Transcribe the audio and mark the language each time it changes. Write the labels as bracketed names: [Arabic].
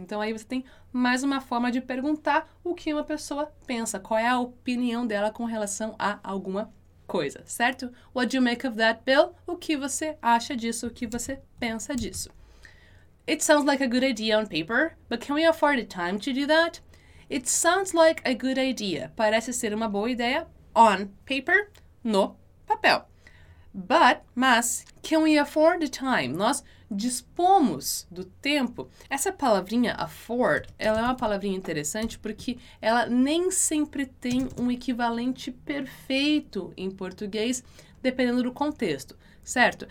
[Portuguese] Então, aí você tem mais uma forma de perguntar o que uma pessoa pensa. Qual é a opinião dela com relação a alguma coisa, certo? [English] What do you make of that, Bill? [Portuguese] O que você acha disso? O que você pensa disso? [English] It sounds like a good idea on paper, but can we afford the time to do that? It sounds like a good idea. [Portuguese] Parece ser uma boa ideia [English] on paper, [Portuguese] no papel. [English] Mas, can we afford the time? [Portuguese] Nós dispomos do tempo. Essa palavrinha afford, ela é uma palavrinha interessante porque ela nem sempre tem um equivalente perfeito em português, dependendo do contexto, certo?